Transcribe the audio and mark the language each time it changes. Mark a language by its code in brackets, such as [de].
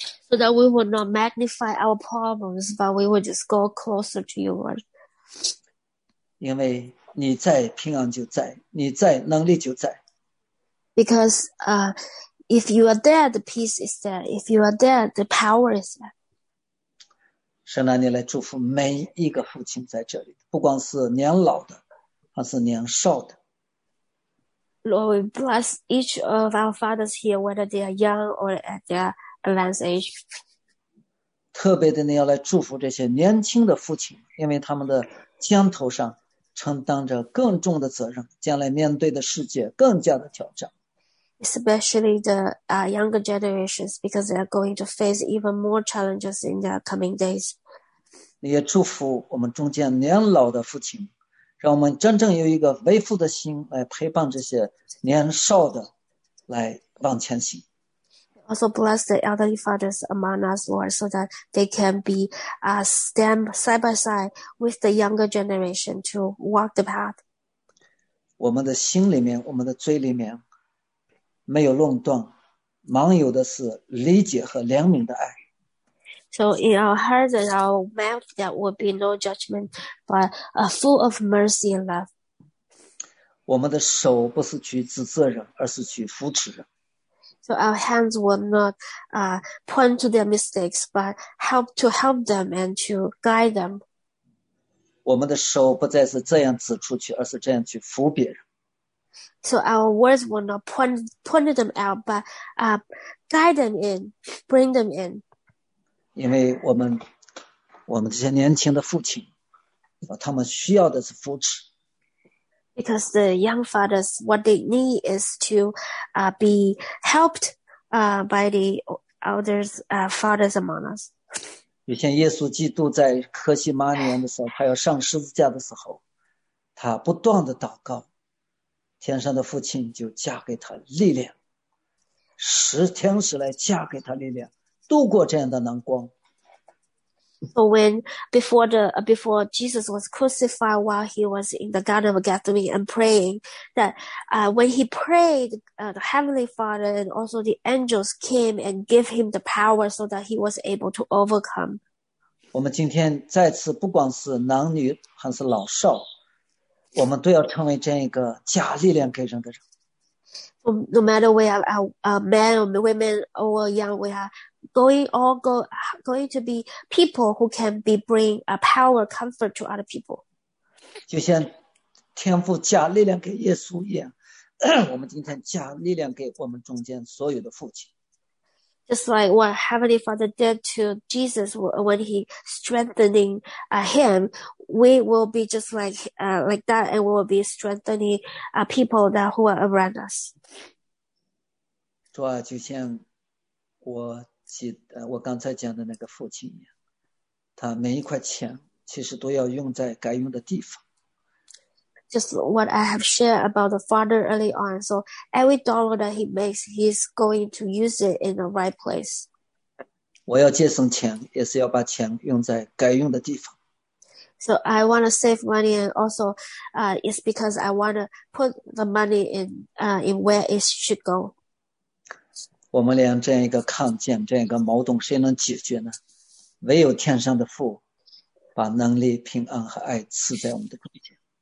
[en] So that we will not magnify our problems, but we will just go closer to you, Lord. [zh] 因为你在平安就在，你在能力就在。 [en] Because if you are there, the peace is there. If you are there, the power is there. [zh] 神啊，你来祝福每一个父亲在这里，不光是年老的，还是年少的。 [en] Lord, we bless each of our fathers here, whether they are young or at their advanced age. [zh] 特别的，你要来祝福这些年轻的父亲，因为他们的肩头上承担着更重的责任，将来面对的世界更加的挑战。 [en] Especially the younger generations, because they are going to face even more challenges in their coming days. [zh] 你也祝福我们中间年老的父亲。让我们真正有一个为父的心来陪伴这些年少的来往前行。 [en] Also bless the elderly fathers among us, Lord, so that they can be stand side by side with the younger generation to walk the path. [zh] 我们的心里面，我们的嘴里面，没有论断，盲有的是理解和怜悯的爱。 [en] So in our hearts and our mouth, there will be no judgment, but a full of mercy and love. [zh] 我们的手不是去指责人，而是去扶持人。 [en] So our hands will not, point to their mistakes, but help to help them and to guide them. [zh] 我们的手不再是这样指出去，而是这样去扶别人。 [en] So our words will not point them out, but, guide them in, bring them in. [zh] 因为我们这些年轻的父亲，他们需要的是扶持。 [en] Because the young fathers, what they need is to, be helped, by the elders, fathers among us. [zh] 以前耶稣基督在克西马尼园的时候，他要上十字架的时候，他不断的祷告。天上的父亲就加给他力量，使天使来加给他力量，度过这样的难关。 [en] So when before Jesus was crucified while he was in the Garden of Gethsemane and praying, that when he prayed, the Heavenly Father and also the angels came and gave him the power so that he was able to overcome. [zh] 我们今天再次不管是男女还是老少。我们都要成为这样一个加力量给人的人。 [en] No matter we are men or women or young, we are going to be people who can be bring a power, comfort to other people. [zh] 就像天父加力量给耶稣一样，我们今天加力量给我们中间所有的父亲。 [en] Just like what Heavenly Father did to Jesus when he strengthening him, we will be just like that, and we will be strengthening people that who are around us. [zh] 主啊，就像我刚才讲的那个父亲一样，他每一块钱其实都要用在该用的地方。 [en] Just what I have shared about the father early on. So every dollar that he makes, he's going to use it in the right place. [zh] 我要节省钱，也是要把钱用在该用的地方。 [en] So I want to save money, and also, it's because I want to put the money in where it should go. [zh] 我们连这样一个抗见，这样一个矛盾，谁能解决呢？唯有天上的父，把能力、平安和爱赐在我们的中间。